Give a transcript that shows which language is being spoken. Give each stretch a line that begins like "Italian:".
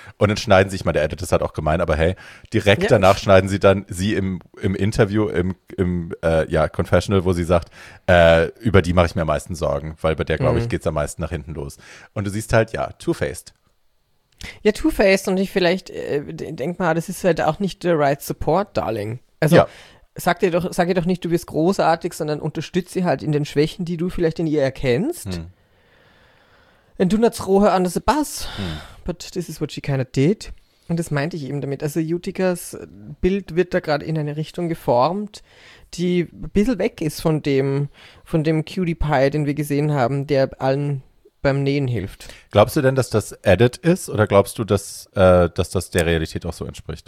German: Und dann schneiden sie, ich meine, der Editor hat auch gemeint, aber hey, direkt danach schneiden sie dann sie im Interview, im Confessional, wo sie sagt, über die mache ich mir am meisten Sorgen, weil bei der, glaube ich, geht es am meisten nach hinten los. Und du siehst halt,
English: two-faced.
German: Ja, two-faced und ich vielleicht, denk mal, das ist halt auch nicht
English: the right support, darling.
German: Also, ja. Sag ihr doch nicht, du bist großartig, sondern unterstütze sie halt in den Schwächen, die du vielleicht in ihr erkennst. Hm.
English: And do not throw her under the bus. Hm. But this is what she kind of did.
German: Und das meinte ich eben damit. Also Jutikas Bild wird da gerade in eine Richtung geformt, die ein bisschen weg ist von dem Cutie Pie, den wir gesehen haben, der allen beim Nähen hilft. Glaubst du denn, dass das Edit ist oder glaubst du, dass das der Realität auch so entspricht?